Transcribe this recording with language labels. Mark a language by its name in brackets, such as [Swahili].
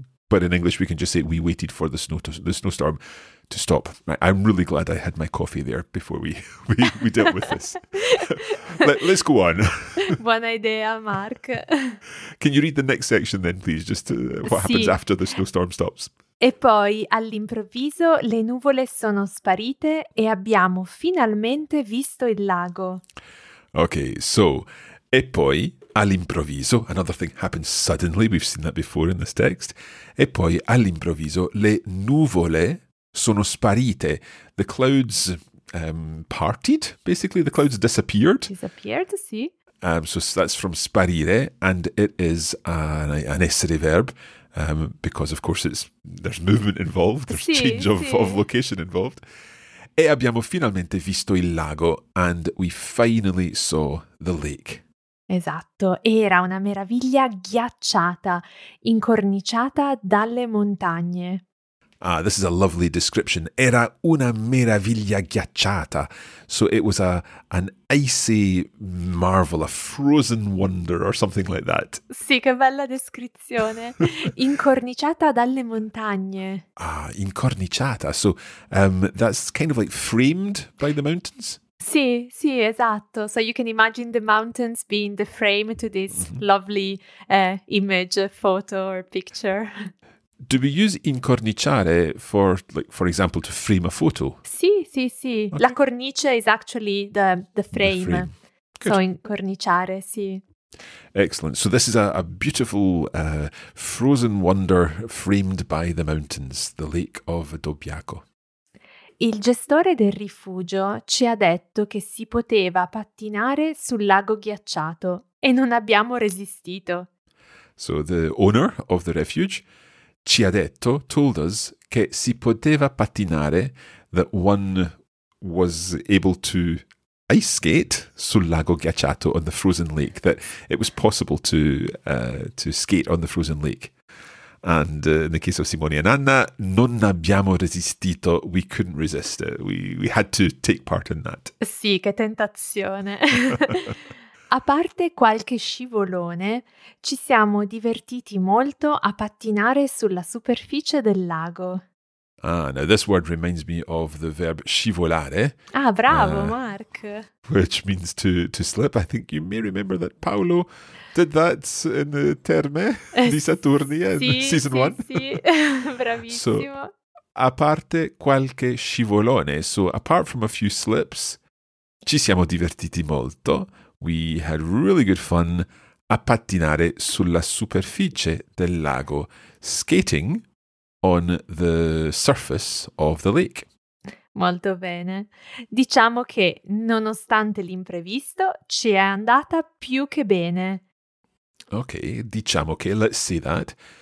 [English] But in English, we can just say we waited for the snowstorm to stop. I'm really glad I had my coffee there before we dealt with this. Let's go on. [Italian] Buona idea, Mark. [English] Can you read the next section then, please? Just what happens after the snowstorm stops. [Italian] E poi, all'improvviso, le nuvole sono sparite e abbiamo finalmente visto il lago. [English] Okay, so, [Italian] e poi, all'improvviso, [English] another thing happens suddenly, we've seen that before in this text. [Italian] E poi, all'improvviso, le nuvole sono sparite. [English] The clouds parted, basically, the clouds disappeared. Disappeared, sì. So that's from sparire, and it is an essere verb, because of course there's movement involved, there's change of location involved. [Italian] E abbiamo finalmente visto il lago, [English] and we finally saw the lake. [Italian] Esatto, era una meraviglia ghiacciata, incorniciata dalle montagne. [English] Ah, this is a lovely description. [Italian] Era una meraviglia ghiacciata. [English] So it was an icy marvel, a frozen wonder or something like that. [Italian] Sì, che bella descrizione. Incorniciata dalle montagne. [English] Ah, incorniciata. So that's kind of like framed by the mountains? [Italian] Sì, sì, esatto. [English] So you can imagine the mountains being the frame to this lovely image, photo or picture. Do we use incorniciare for, like, for example, to frame a photo? Sì, sì, sì. Okay. La cornice is actually the frame. The frame. So incorniciare, sì. Excellent. So this is a beautiful frozen wonder framed by the mountains, the lake of Dobbiaco. [Italian] Il gestore del rifugio ci ha detto che si poteva pattinare sul lago ghiacciato e non abbiamo resistito. [English] So the owner of the refuge [Italian] ci ha detto, [English] told us, [Italian] che si poteva pattinare, [English] that one was able to ice skate [Italian] sul lago ghiacciato, [English] on the frozen lake, that it was possible to skate on the frozen lake. And in the case of Simone and Anna, [Italian] non abbiamo resistito, [English] we couldn't resist it, we had to take part in that. [Italian] Sì, che tentazione! A parte qualche scivolone, ci siamo divertiti molto a pattinare sulla superficie del lago. [English] Ah, now this word reminds me of the verb scivolare. [Italian] Ah, bravo, Mark. [English] Which means to slip. I think you may remember that Paolo did that in the Terme di Saturnia in season 1. [Italian] Sì, sì, bravissimo. So, a parte qualche scivolone, [English] so apart from a few slips, [Italian] ci siamo divertiti molto. [English] We had really good fun [Italian] a pattinare sulla superficie del lago, [English] skating on the surface of the lake. [Italian] Molto bene. Diciamo che, nonostante l'imprevisto, ci è andata più che bene. [English] Ok, [Italian] diciamo che, [English] let's say that.